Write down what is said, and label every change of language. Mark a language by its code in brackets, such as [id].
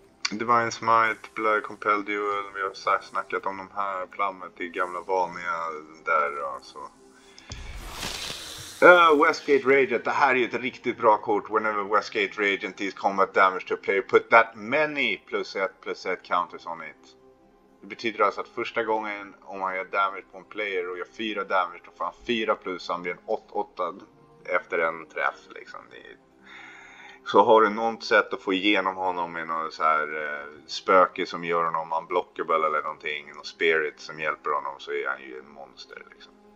[sv] Divine Smite, Blood Compel Duel. Vi har snackat om de här. Plammet, det gamla vanliga där. Alltså. Westgate Radiant, det här är ju ett riktigt bra kort. [en] Whenever Westgate Radiant is combat damage to a player, put that many plus ett counters on it. [sv] Det betyder alltså att första gången om man gör damage på en player och gör 4 damage, då får han 4 plus, han blir en 8-8 efter en träff liksom. Så har du något sätt att få igenom honom med något så här spöke som gör honom unblockable eller någonting, och spirit som hjälper honom, så är han ju en monster liksom.